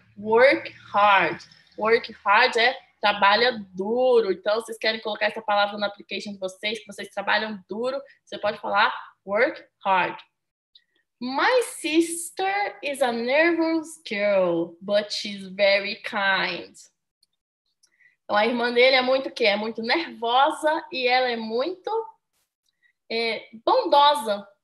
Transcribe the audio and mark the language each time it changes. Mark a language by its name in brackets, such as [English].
[English] Work hard. Work hard [Portuguese] é trabalha duro. Então, vocês querem colocar essa palavra no application de vocês, que vocês trabalham duro, você pode falar [English] work hard. My sister is a nervous girl, but she's very kind. [Portuguese] Então, a irmã dele é muito o quê? É muito nervosa e ela é muito bondosa.